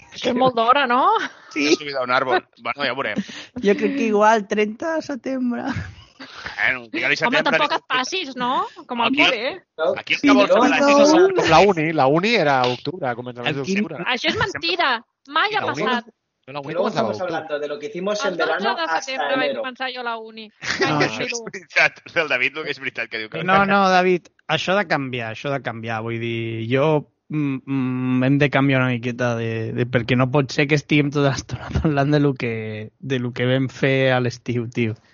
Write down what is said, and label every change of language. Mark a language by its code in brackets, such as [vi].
[ca] Que és molt d'hora, no? Sí. Ha subit a un àrbol. Bueno, ja veurem. Jo crec que igual, 30 de setembre. Bueno, digue-li setembre... Home, tampoc et passis, no? Com el aquí, cole, eh? Aquí és que vols fer l'any. Com la uni. La uni era a octubre, comença l'any d'octubre. Això és mentida. Mai ha passat. Uni? [es] No, no, no, estamos hablando de lo que hicimos el verano hasta enero. [ca] Vaig pensar jo la uni. No, no, és veritat. El David no és veritat que diu que... No, no, David, això ha de canviar, això ha de canviar. Vull dir, jo hem de canviar una miqueta de perquè no pot ser que estiguem tota l'estona parlant de lo que vam fer a l'estiu, tio.